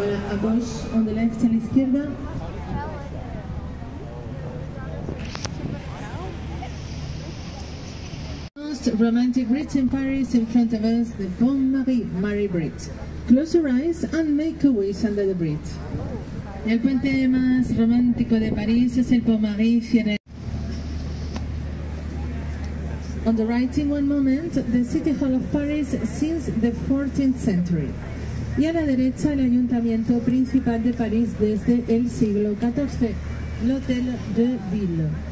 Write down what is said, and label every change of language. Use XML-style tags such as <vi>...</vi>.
<fr>A gauche,</fr> <en>on the left,</en> <es>a la izquierda.</es> <en>Most romantic bridge in Paris, in front of us, the Pont Marie, Marie Bridge. Close your eyes and make a wish under the bridge.</en> <es>El puente más romántico de París es el Pont Marie, cierre.</es> <en>On the right, in one moment, the City Hall of Paris since the 14th century.</en> <es>Y a la derecha, el Ayuntamiento Principal de París desde el siglo XIV, l'Hôtel de Ville.</es>